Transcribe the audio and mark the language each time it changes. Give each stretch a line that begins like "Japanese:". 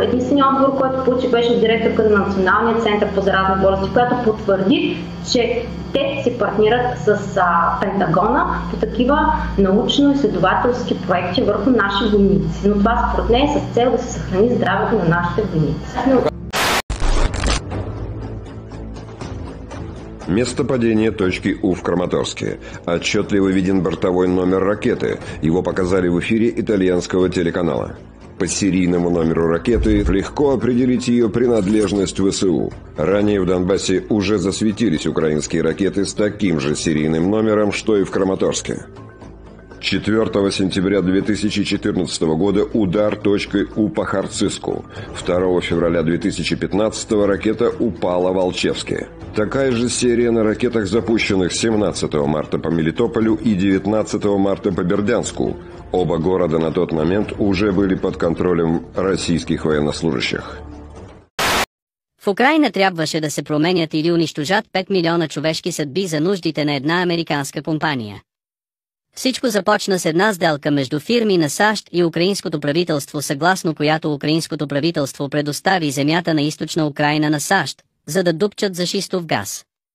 Bulgarian: Единственият отговор, който получи, беше директорка на Националния център по заразни болести, която потвърди, че те си партнират с Пентагона по такива научно-изследователски проекти върху наши войници. Но това според нея е с цел да се съхрани здравето на нашите войници.
Russian: Место падения точки У в Краматорске. Отчетливо виден бортовой номер ракеты. Его показали в эфире итальянского телеканала. По серийному номеру ракеты легко определить ее принадлежность ВСУ. Ранее в Донбассе уже засветились украинские ракеты с таким же серийным номером, что и в Краматорске. 4 сентября 2014 года удар точкой У по Харциску. 2 февраля 2015 ракета упала в Алчевске. Такая же серия на ракетах, запущенных 17 марта по Мелитополю и 19 марта по Бердянску. Оба города на тот момент уже были под контролем российских военнослужащих.
Bulgarian: В Украина трябваше да се променят или унищожат 5 милиона човешки съдби за нуждите на една американска компания. Всичко започна с една сделка между фирми на САЩ и украинското правителство, съгласно която украинското правителство предостави земята на източна Украина на САЩ, за да дупчат за шистов газ.